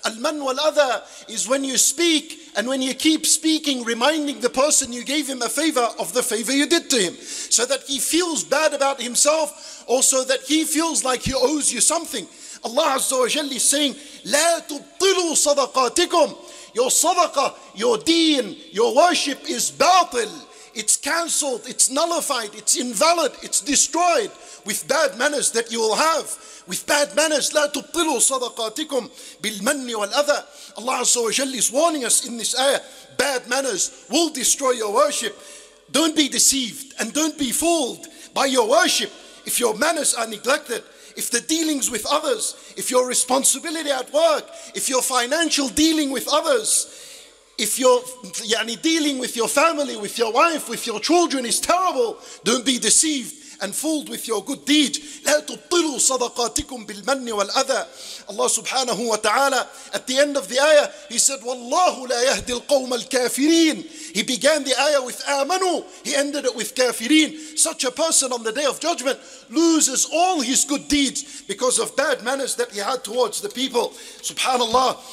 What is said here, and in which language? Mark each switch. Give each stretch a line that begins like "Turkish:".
English: Al man wal adha is when you speak and when you keep speaking, reminding the person you gave him a favor of the favor you did to him, so that he feels bad about himself, or so that he feels like he owes you something. Allah Azza wa Jalla is saying, La tubtilu sadaqatikum. Your sadaqah, your deen, your worship is batil. It's cancelled, it's nullified, it's invalid, it's destroyed with bad manners that you will have. With bad manners,
Arabic: لا تبطلوا صدقاتكم بالمن والأذى.
English: Allah Azza wa Jalla is warning us in this ayah, bad manners will destroy your worship. Don't be deceived and don't be fooled by your worship. If your manners are neglected, if the dealings with others, if your responsibility at work, if your financial dealing with others, if you're yani dealing with your family, with your wife, with your children is terrible, don't be deceived and fooled with your good deed.
Arabic: لا تبطلوا صدقاتكم بالمن والأذى.
English: Allah subhanahu wa ta'ala, at the end of the ayah, he said,
Arabic: والله لا يهدي القوم الكافرين.
English: He began the ayah with آمنوا, he ended it with كافرين. Such a person on the day of judgment loses all his good deeds because of bad manners that he had towards the people. Subhanallah.